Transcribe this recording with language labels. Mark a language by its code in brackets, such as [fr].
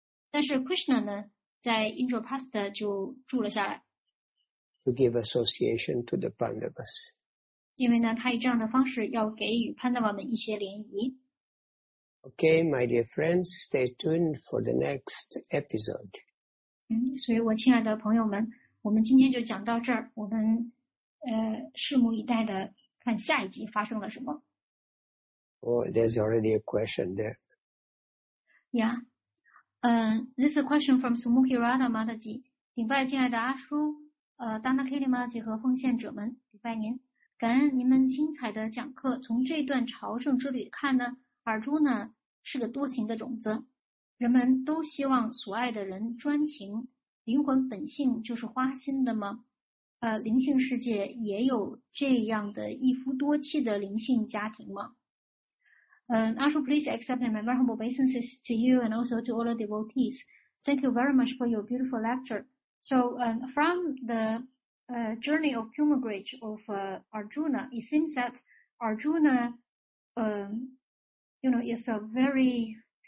[zh] 但是 Krishna 呢，在 Indraprastha 就住了下来。 [en] To give association to the Pandavas. [zh] 因为呢，他以这样的方式要给予 Pandava 们一些联谊。 [en] Okay, my dear friends, stay tuned for the next episode. [zh] 所以我亲爱的朋友们，我们今天就讲到这儿，我们拭目以待的看下一集发生了什么。 [en] Oh, there's already a question there. Yeah. This is a question from Sumukhi Rana Mataji. [zh] 顶拜亲爱的阿叔Dana Kitty Mataji 和奉献者们，礼拜您。感恩您们精彩的讲课，从这段朝圣之旅看呢，尔朱呢是个多情的种子。人们都希望所爱的人专情，灵魂本性就是花心的吗？灵性世界也有这样的一夫多妻的灵性家庭吗？ [en] Ashu, please accept my very humble obeisances to you and also to all the devotees. Thank you very much for your beautiful lecture. So, from the journey of pilgrimage of Arjuna, it seems that Arjuna, is a very